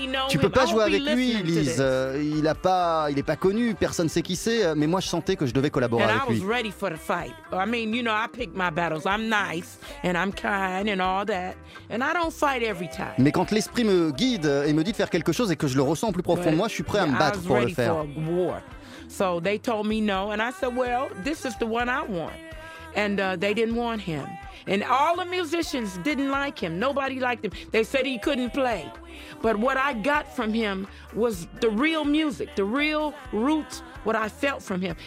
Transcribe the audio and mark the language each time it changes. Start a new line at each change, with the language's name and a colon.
French: Tu ne peux pas jouer avec lui, Lise. Il n'est pas connu, personne ne sait qui c'est. Mais moi, je sentais que je devais collaborer avec lui. Et j'étais prêt pour le fight.
English: I mean, you know, I pick my battles. I'm nice and I'm kind and all that. And I don't fight every time.
French: Mais quand l'esprit me guide et me dit de faire quelque chose et que je le ressens plus profond, moi, je suis prêt à me battre pour le faire.
English: For a war. So they told me no, and I said, well, this is the one I want. And they didn't want him. And all the musicians didn't like him. Nobody liked him. They said he couldn't play. But what I got from him was the real music, the real roots, what I felt from him.